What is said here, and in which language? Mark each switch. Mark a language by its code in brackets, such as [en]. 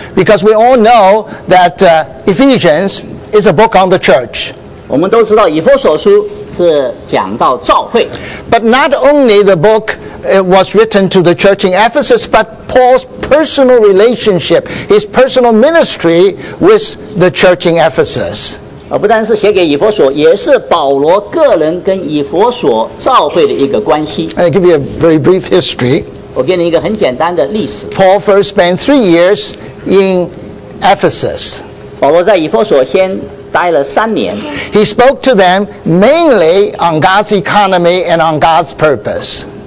[en] Because we all know that Ephesians is a book on the church. [zh] 我们都知道以弗所书是讲到教会。 [en] But not only the book was written to the church in Ephesus, but Paul's personal relationship, his personal ministry with the church in Ephesus. [zh] 不单是写给以弗所，也是保罗个人跟以弗所教会的一个关系。 [en] I'll give you a very brief history. [zh] 我给你一个很简单的历史。 [en] Paul first spent 3 years in Ephesus. [zh] 保罗在以弗所先待了三年。 [en] He spoke to them mainly on God's economy and on God's purpose.